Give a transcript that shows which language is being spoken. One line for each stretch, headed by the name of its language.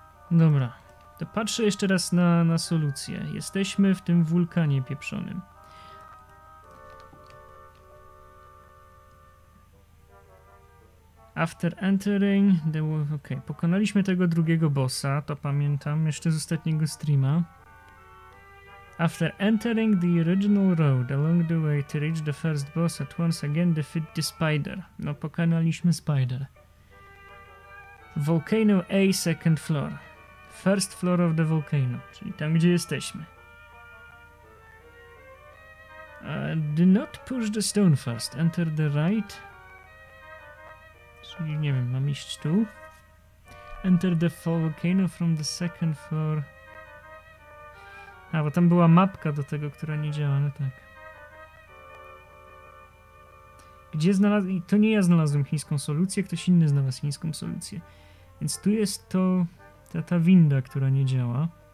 Polish: Dobra. To patrzę jeszcze raz na solucję. Jesteśmy w tym wulkanie pieprzonym.
English: After entering the...
Polish: Okej, pokonaliśmy tego drugiego bossa, to pamiętam, jeszcze z ostatniego streama.
English: After entering the original road along the way to reach the first boss, at once again defeat the spider.
Polish: No, pokonaliśmy spider.
English: Volcano A, second floor. First floor of the volcano,
Polish: czyli tam, gdzie jesteśmy.
English: Do not push the stone fast. Enter the right.
Polish: Czyli, nie wiem, mam iść tu.
English: Enter the volcano from the second floor.
Polish: A, bo tam była mapka do tego, która nie działa, no tak. Gdzie znalazł... To nie ja znalazłem chińską solucję, ktoś inny znalazł chińską solucję. Więc tu jest to... Ta winda, która nie działa.